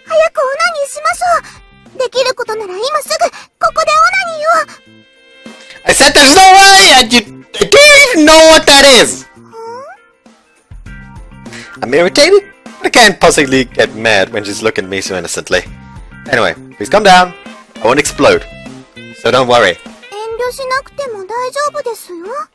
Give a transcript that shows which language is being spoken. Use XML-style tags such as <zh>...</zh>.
<ja>早くオナニーしましょう。できることなら今すぐ、ここでオナニーを。</ja> <en>I said there's no way and you didn't even know what that is! I'm irritated, but I can't possibly get mad when she's looking at me so innocently. Anyway, please calm down. I won't explode. So don't worry.</en> <ja>遠慮しなくても大丈夫ですよ。</ja>